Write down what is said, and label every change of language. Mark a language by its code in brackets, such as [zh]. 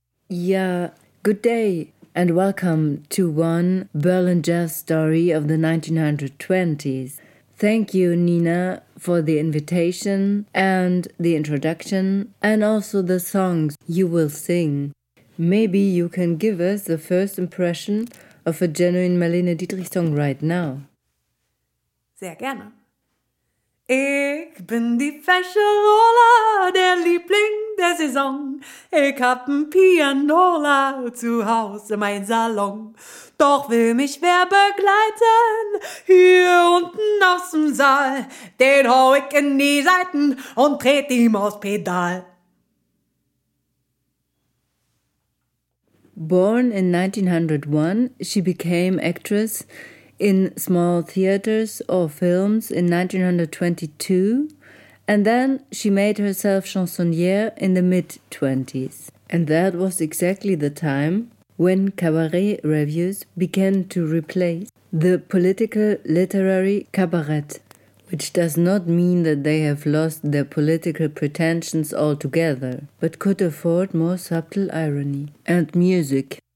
[en] Yeah, good day and welcome to one Berlin jazz story of the 1920s. Thank you, Nina, for the invitation and the introduction and also the songs you will sing. Maybe you can give us the first impression of a genuine Marlene Dietrich song right now. [de] Sehr gerne. Ich bin die fesche Rolla, der Liebling der Saison. Ich hab ein Pianola zu Hause, mein Salon. Doch will mich wer begleiten, hier unten aus dem Saal. Den hau ich in die Seiten und tret ihm aufs Pedal. [en] Born in 1901, she became actress in small theaters or films in 1922, and then she made herself chansonnière in the mid-20s. And that was exactly the time when cabaret revues began to replace the political literary cabaret, which does not mean that they have lost their political pretensions altogether, but could afford more subtle irony and music.